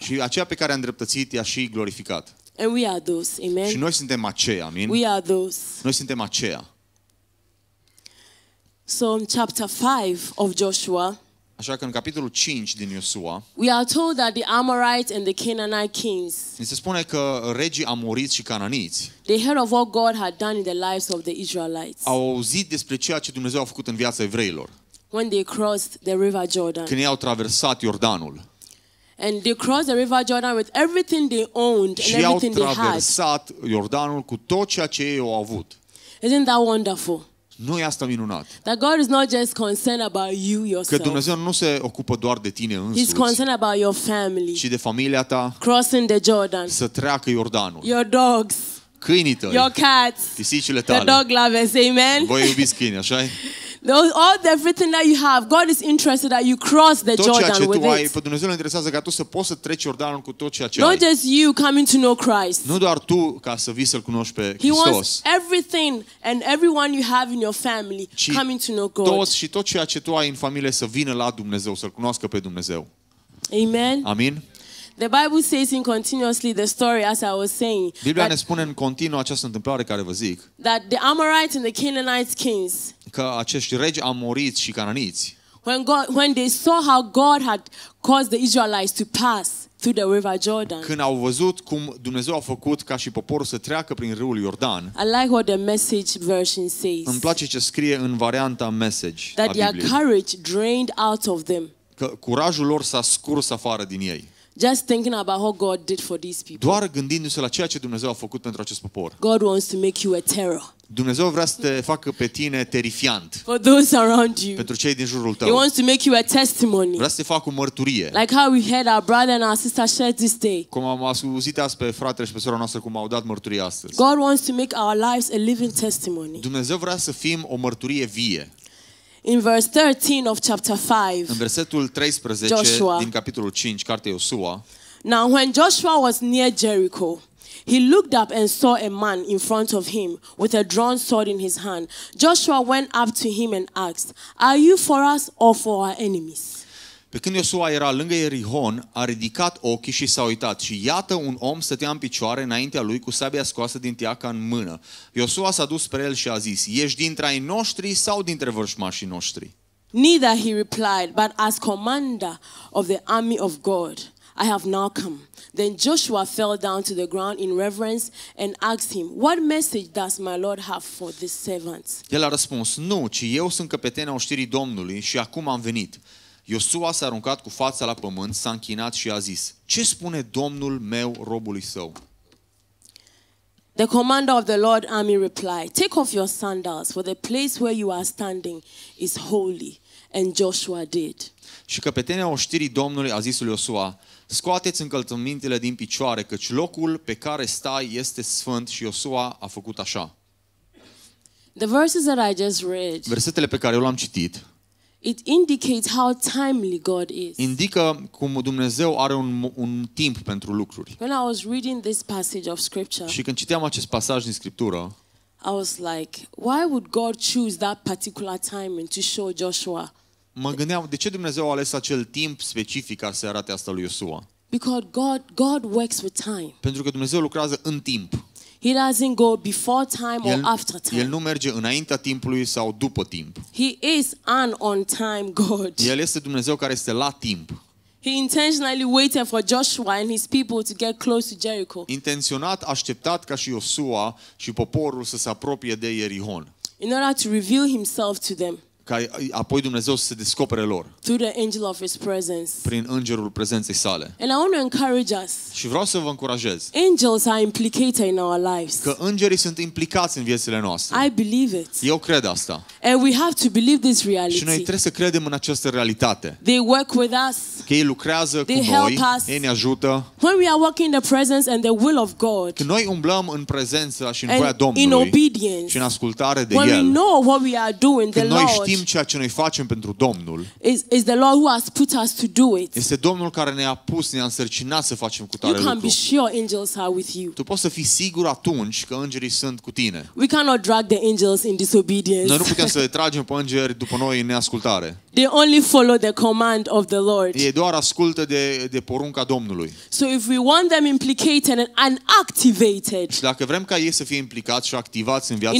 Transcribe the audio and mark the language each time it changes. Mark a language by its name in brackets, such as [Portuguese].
[Romanian] Și aceia pe care a îndreptățit, i-a și glorificat. [English] And we are those, amen. [Romanian] Și noi suntem aceia, amin. [English] We are those. [Romanian] Noi suntem aceia. [English] So in chapter 5 of Joshua. [Romanian] Așa că în capitolul 5 din Iosua. [English] We are told that the Amorites and the Canaanite kings. [Romanian] Ni se spune că regii amoriți și cananiți. [English] They heard of what God had done in the lives of the Israelites. [Romanian] Au auzit despre ceea ce Dumnezeu a făcut în viața evreilor. [English] When they crossed the river Jordan. [Romanian] Când i-au traversat Iordanul. [English] And they crossed the river Jordan with everything they owned and everything they had. [Romanian] Și au traversat Iordanul cu tot ceea ce ei au avut. [English] Isn't that wonderful? [Romanian] Nu e asta minunat? [English] That God is not just concerned about you yourself. [Romanian] Că Dumnezeu nu se ocupă doar de tine însuți. [English] He's concerned about your family. [Romanian] Și de familia ta. [English] Crossing the Jordan. [Romanian] Să treacă Iordanul. [English] Your dogs. [Romanian] Câinii tăi. [English] Your cats. [Romanian] Pisicile tale. [English] The dog lovers. Amen. [Romanian] Voi iubiți câinii, așa e? [English] All the everything that you have, God is interested that you cross the Jordan with it. [Romanian] Tot ceea ce tu ai, pe Dumnezeu îl interesează ca tu să poți să treci Iordanul cu tot ceea ce ai. [English] Not just you coming to know Christ. [Romanian] Nu doar tu ca să vii să-l cunoști pe Hristos. [English] He wants everything and everyone you have in your family coming to know God. [Romanian] Toți și tot ceea ce tu ai în familie să vină la Dumnezeu, să-l cunoască pe Dumnezeu. [English] Amen. [Romanian] Amin. [English] The Bible says in continuously the story as I was saying. [Romanian] Biblia ne spune în continuu această întâmplare care vă zic. [English] That the Amorites and the Canaanites kings. [Romanian] Că acești regi amoriți și cananiți. [English] When they saw how God had caused the Israelites to pass through the river Jordan. [Romanian] Când au văzut cum Dumnezeu a făcut ca și poporul să treacă prin râul Iordan. [English] I like what the Message version says. [Romanian] Îmi place ce scrie în varianta Message. [English] That their courage drained out of them. [Romanian] Că curajul lor s-a scurs afară din ei. [English] Just thinking about what God did for these people. [Romanian] Doar gândindu-se la ceea ce Dumnezeu a făcut pentru acest popor. [English] God wants to make you a terror. [Romanian] Dumnezeu vrea să te facă pe tine terifiant. [English] For those around you. [Romanian] Pentru cei din jurul tău. [English] He wants to make you a testimony. [Romanian] Vrea să te facă o mărturie. [English] Like how we heard our brother and our sister share this day. [Romanian] Cum am auzit azi pe fratele și pe sora noastră cum au dat mărturie astăzi. [English] God wants to make our lives a living testimony. [Romanian] Dumnezeu vrea să fim o mărturie vie. [English] In verse 13 of chapter 5. [Romanian] În versetul 13 Joshua. Din capitolul 5, cartea Iosua. [English] Now when Joshua was near Jericho, he looked up and saw a man in front of him with a drawn sword in his hand. Joshua went up to him and asked, "Are you for us or for our enemies?" [Romanian] Pe când Iosua era lângă Ierihon, a ridicat ochii și s-a uitat și iată un om stătea în picioare înaintea lui cu sabia scoasă din tiaca în mână. Iosua s-a dus spre el și a zis, ești dintre ai noștri sau dintre vrăjmașii noștri? [English] Neither, he replied, but as commander of the army of God, I have now come. Then Joshua fell down to the ground in reverence and asked him, what message does my Lord have for this servant? [Romanian] El a răspuns, nu, ci eu sunt căpetenia oștirii Domnului și acum am venit. Iosua s-a aruncat cu fața la pământ, s-a închinat și a zis, ce spune Domnul meu robului său? [English] The commander of the Lord's army replied, take off your sandals, for the place where you are standing is holy. And Joshua did. [Romanian] Și căpetenia oștirii Domnului a zis lui Iosua, scoateți încălțămintele din picioare, căci locul pe care stai este sfânt. Și Iosua a făcut așa. [English] The verses that I just read. [Romanian] Versetele pe care eu l-am citit. [English] It indicates how timely God is. [Romanian] Indică cum Dumnezeu are un timp pentru lucruri. [English] When I was reading this passage of scripture. [Romanian] Și când citeam acest pasaj din scriptură. [English] I was like, why would God choose that particular timing to show Joshua? [Romanian] Mă gândeam, de ce Dumnezeu a ales acel timp specific ca să arate asta lui Iosua? [English] Because God works with time. [Romanian] Pentru că Dumnezeu lucrează în timp. [English] He doesn't go before time or after time. [Romanian] El nu merge înaintea timpului sau după timp. [English] He is an on time God. [Romanian] El este Dumnezeu care este la timp. [English] He intentionally waited for Joshua and his people to get close to Jericho. [Romanian] Intenționat așteptat ca și Iosua și poporul să se apropie de Ierihon. [English] In order to reveal himself to them. [Romanian] Ca apoi Dumnezeu să se descopere lor. [English] Through the angel of his presence. [Romanian] Prin îngerul prezenței sale. [English] And I want to encourage us. [Romanian] Și vreau să vă încurajez. [English] Angels are implicated in our lives. [Romanian] Că îngerii sunt implicați în viețile noastre. [English] I believe it. [Romanian] Eu cred asta. [English] And we have to believe this reality. [Romanian] Și noi trebuie să credem în această realitate. [English] They work with us. [Romanian] Că ei lucrează [English] they [Romanian] cu [English] help [Romanian] noi. [English] Us. [Romanian] Ei ne ajută. [English] When we are walking in the presence and the will of God. [Romanian] Când noi umblăm în prezența și în [English] and [Romanian] voia Domnului. [English] In obedience. [Romanian] Și în ascultare de [English] when [Romanian] el. [English] When we know what we are doing the Lord. [Romanian] Știm ceea ce noi facem pentru Domnul. [English] Is the Lord who has put us to do it. [Romanian] Este Domnul care ne-a pus, ne-a însărcinat să facem cu tare lucru. [English] You can be sure angels are with you. [Romanian] Tu poți să fii sigur atunci că îngerii sunt cu tine. [English] We cannot drag the angels in disobedience. [Romanian] Noi nu putem să le tragem pe îngeri după noi în neascultare. [English] They only follow the command of the Lord. [Romanian] Ei doar ascultă de porunca Domnului. [English] So if we want them implicated and activated. [Romanian] Și dacă vrem ca ei să fie implicați și activați în viața